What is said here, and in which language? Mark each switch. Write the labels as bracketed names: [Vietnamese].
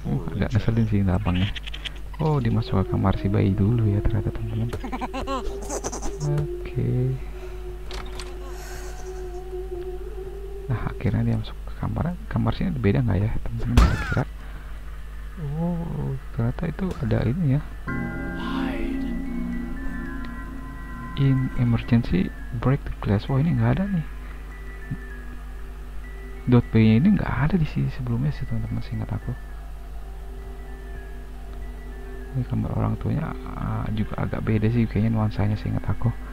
[Indonesian] Agak ngeselin sih lapangnya. Oh, dimasuk ke kamar si bayi dulu ya ternyata teman-teman. Oke. Nah, akhirnya dia masuk ke kamar. Kamar sini ada beda nggak ya teman-teman, kira-kira? Oh, ternyata itu ada ini ya. [English] In emergency break the glass. [Indonesian] Wah, ini nggak ada nih. Dot bayinya ini nggak ada di sini sebelumnya sih teman-teman, seingat aku. Ini kamar orang tuanya juga agak beda sih kayaknya nuansanya, seingat aku.